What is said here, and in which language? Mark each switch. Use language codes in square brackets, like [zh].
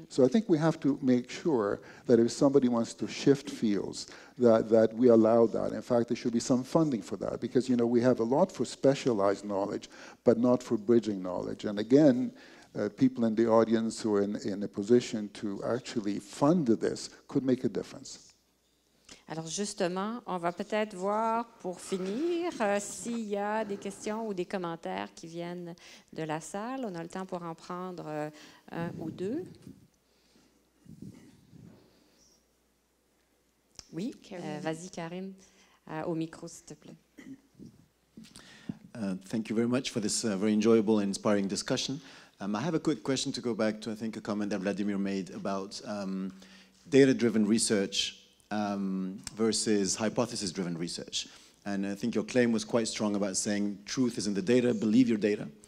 [en] So I think we have to make sure that if somebody wants to shift fields, that we allow that. In fact, there should be some funding for that. Because, you know, we have a lot for specialized knowledge, but not for bridging knowledge. And again, people in the audience who are in a position to actually fund this could make a difference. [fr] Alors justement, on va peut-être voir pour finir s'il y a des questions ou des commentaires qui viennent de la salle. On a le temps pour en prendre un ou deux. Oui, vas-y Karim, au micro s'il te plaît. [en] Thank you very much for this very enjoyable and inspiring discussion. I have a quick question to go back to, I think, a comment that Vladimir made about data-driven research versus hypothesis-driven research. And I think your claim was quite strong about saying truth is in the data, believe your data.